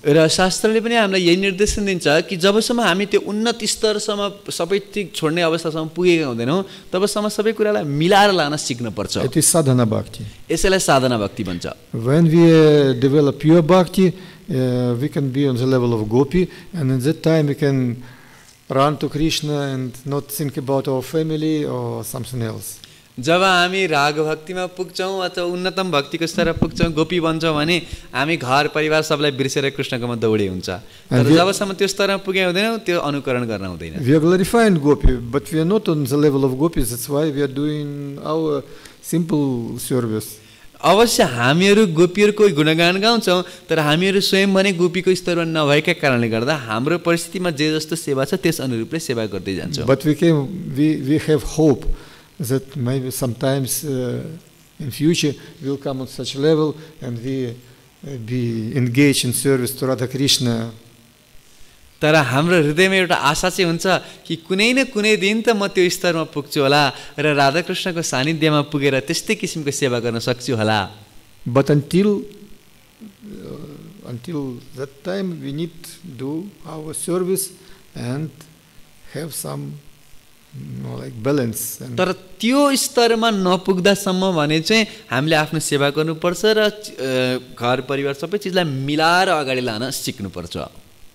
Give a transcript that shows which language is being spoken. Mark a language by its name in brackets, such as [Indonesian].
[Nepali] र शास्त्रले पनि हामीलाई यही निर्देशन दिन्छ कि जबसम्म हामी त्यो उन्नत स्तरसम्म सबै त्यिक छोड्ने अवस्थासम्म पुगेका हुँदैनौ तबसम्म सबै कुरालाई मिलाएर लान सिक्न पर्छ. यति साधना भक्ति. यसलाई साधना भक्ति भन्छ. [English] When we develop pure bhakti, we can be on the level of gopi, and in that time we can run to Krishna and not think about our family or something else. [Nepali] जब हामी राग भक्तिमा पुग्छौँ अथवा उन्नतम भक्तिको स्तरमा पुग्छौँ गोपी बन्छौँ भने हामी घर परिवार सबलाई बिर्सेर कृष्णकोमा दौडे हुन्छ. तर जबसम्म त्यो स्तरमा पुगे हुँदैनौँ त्यो अनुकरण गर्न हुँदैन. [English] We are glorifying gopi, but we are not on the level of gopis. That's why we are doing our simple service. [Nepali] अवश्य हामीहरू गोपीहरूको गुणगान गाउँछौँ तर हामीहरू स्वयं भने गोपीको स्तरमा नभएका कारणले गर्दा हाम्रो परिस्थितिमा जे जस्तो सेवा छ त्यस अनुरूपले सेवा गर्दै जान्छौँ. [English] But we have hope. That maybe sometimes in future we'll come on such level and we be engaged in service to Radha Krishna. [Nepali] तर हाम्रो हृदयमा एउटा आशा चाहिँ हुन्छ कि कुनै न कुनै दिन त म त्यो स्तरमा पुग्छु होला र राधा कृष्णको सानिध्यमा पुगेर त्यस्तै किसिमको सेवा गर्न सक्छु होला. [English] But until that time we need to do our service and have some like balance. [Nepali] तर त्यो स्तरमा नपुग्दासम्म भने चाहिँ हामीले आफ्नो सेवा गर्नुपर्छ र घर परिवार सबै चिजलाई मिलाएर अगाडि लान सिक्नुपर्छ.